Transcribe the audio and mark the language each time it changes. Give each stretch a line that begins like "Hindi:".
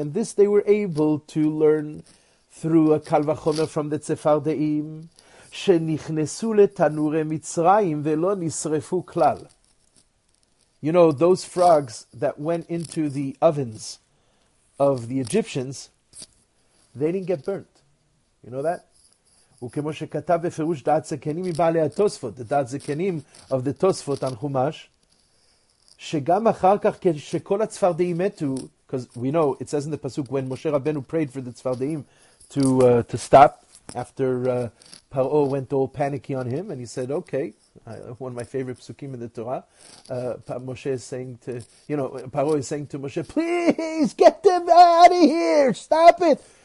English: and this they were able to learn through a kal v'chomer from the tzfardeim,
Hebrew: she'nichnesu le'tanure mitzrayim ve'lo nisrefu klal.
English: You know, those frogs that went into the ovens of the Egyptians, they didn't get burnt. You know that?
Hebrew: וכמו שכתב בפירוש דעת זקנים מבעלי התוספות, the דעת זקנים of the תוספות על חומש, שגם אחר כך כשכל הצפרדעים מתו,
English: because we know, it says in the pasuk, when Moshe Rabbeinu prayed for the צפרדעים to stop, after Paro went all panicky on him, and he said, okay, one of my favorite psukim in the Torah, Moshe is saying to, you know, Paro is saying to Moshe, please get them out of here, stop it.